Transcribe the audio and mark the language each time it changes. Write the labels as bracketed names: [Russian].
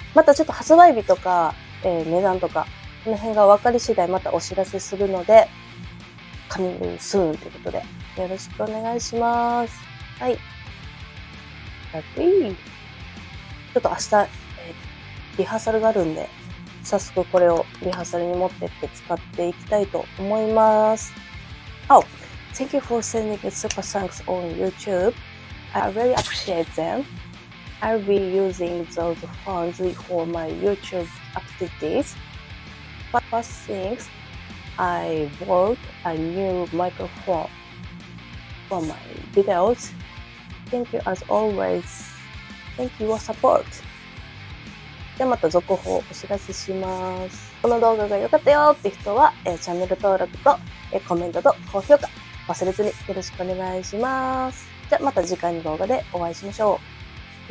[Japanese] またちょっと発売日とか、値段とかこの辺が分かり次第またお知らせするので、 [English] coming soon [Japanese] ということでよろしくお願いします。はい。ちょっと明日、リハーサルがあるんで、早速これをリハーサルに持ってって使っていきたいと思います。 [English] Oh, thank you for sending super thanks on YouTube. I really appreciate them. I'll be using those funds for my YouTube activities. But first things, I bought a new microphone for my videos. Thank you as always. Thank you for support. [Japanese] じゃあまた続報をお知らせします。この動画が良かったよーって人は、チャンネル登録と、コメントと高評価忘れずによろしくお願いします。じゃあまた次回の動画でお会いしましょう。